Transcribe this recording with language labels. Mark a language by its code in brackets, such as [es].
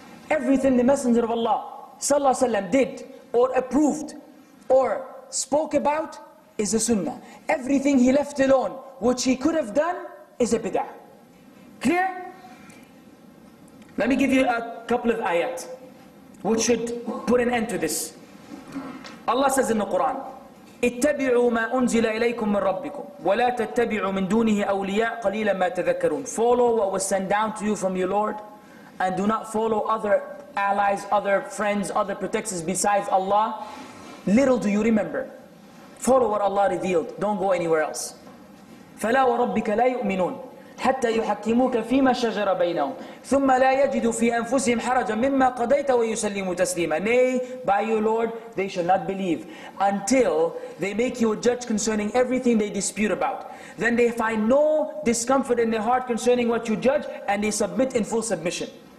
[en] Everything the Messenger of Allah sallallahu alayhi wa sallam did or approved or spoke about is a sunnah. Everything he left alone, which he could have done, is a bid'ah. Clear? Let me give you a couple of ayat which should put an end to this. Allah says in the Quran, [ar] اتبعوا ما أنزل إليكم من ربكم ولا تتبعوا من دونه أولياء قليلا ما تذكرون. [en] Follow what was sent down to you from your Lord, and do not follow other allies, other friends, other protectors besides Allah. Little do you remember. Follow what Allah revealed. Don't go anywhere else. [ar] فلا وربك لا يؤمنون حتى يحكموك فيما شجر بينهم ثم لا يجدوا في أنفسهم حرجا مما قضيت ويسلموا تسليما. [en] Nay, by your Lord, they shall not believe until they make you a judge concerning everything they dispute about. Then they find no discomfort in their heart concerning what you judge, and they submit in full submission.